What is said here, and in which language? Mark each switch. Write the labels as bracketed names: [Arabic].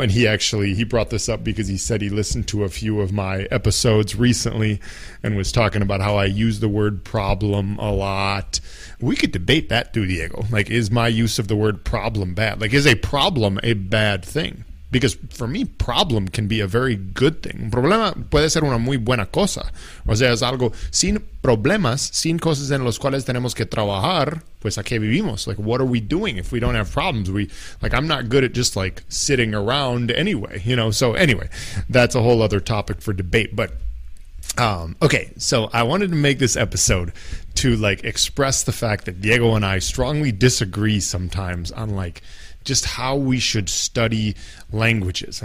[English] And he brought this up because he said he listened to a few of my episodes recently and was talking about how I use the word problem a lot. We could debate that too, Diego. Like, is my use of the word problem bad? Like, is a problem a bad thing? Because for me, problem can be a very good thing. [Spanish] Un problema puede ser una muy buena cosa. O sea, es algo sin problemas, sin cosas en las cuales tenemos que trabajar, pues a qué vivimos. [English] Like, what are we doing if we don't have problems? I'm not good at just like sitting around anyway, you know? So anyway, that's a whole other topic for debate. But okay, so I wanted to make this episode to like express the fact that Diego and I strongly disagree sometimes on like just how we should study languages.